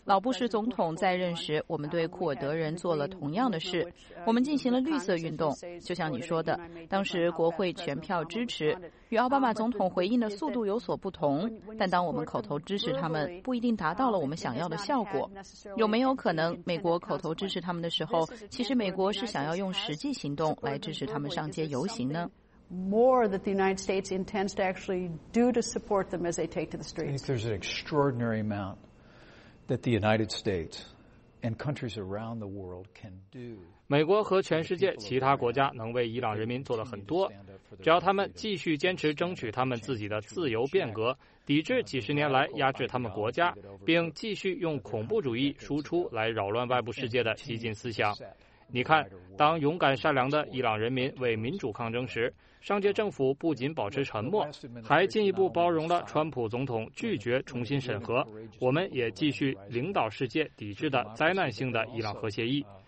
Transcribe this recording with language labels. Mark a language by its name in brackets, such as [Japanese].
[Chinese] 老布什总统在任时，我们对库尔德人做了同样的事，我们进行了绿色运动，就像你说的，当时国会全票支持，与奥巴马总统回应的速度有所不同，但当我们口头支持他们，不一定达到了我们想要的效果。有没有可能美国口头支持他们的时候，其实美国是想要用实际行动来支持他们上街游行呢？ [English] More that the United States intends to actually do to support them as they take to the streets. I think there's an extraordinary amount that the United States and countries around the world can do. [Chinese] 美国和全世界其他国家能为伊朗人民做了很多，只要他们继续坚持争取他们自己的自由变革，抵制几十年来压制他们国家并继续用恐怖主义输出来扰乱外部世界的激进思想。你看，当勇敢善良的伊朗人民为民主抗争时，上届政府不仅保持沉默，还进一步包容了川普总统拒绝重新审核，我们也继续领导世界抵制的灾难性的伊朗核协议。